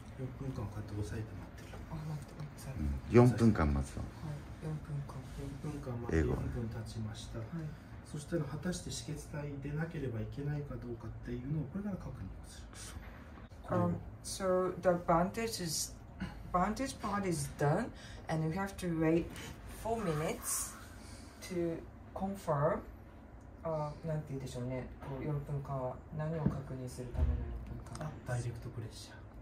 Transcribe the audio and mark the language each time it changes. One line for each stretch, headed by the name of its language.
Japanese: 4分間こうやって押さえて待ってる。あ、待って、 4分間待つの。はい、4分間。 4分間待って4分経ちました。はい、そしたら、果たして止血帯でなければいけないかどうかっていうのをこれから確認する。
English: So the bandage part is done, and you have to wait 4 minutes to confirm.
Japanese: なんて言うでしょうね。こう4分間は何を確認するための4分間。ダイレクトプレッシャー。